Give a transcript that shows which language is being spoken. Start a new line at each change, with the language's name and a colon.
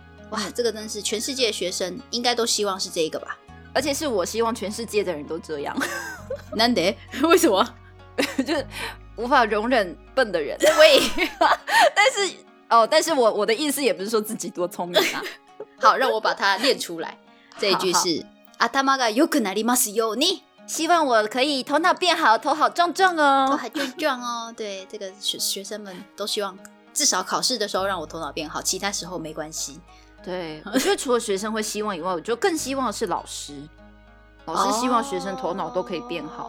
Chinese: 哇，这个真是全世界的学生应该都希望是这一个吧，而且是我希望全世界的人都这样。难得，为什么？就是无法容忍笨的人。喂，但是哦，但是我的意思也不是说自己多聪明啊。好，让我把它念出来。
Japanese: 这一句是頭が良くなりますように，
Chinese: 希望我可以头脑变好，头好壮壮哦，头好壮壮哦。对，这个学生们都希望。至少考试的时候让我头脑变好，其他时候没关系。对，我觉得除了学生会希望以外，我觉得更希望的是老师。老师希望学生头脑都可以变好，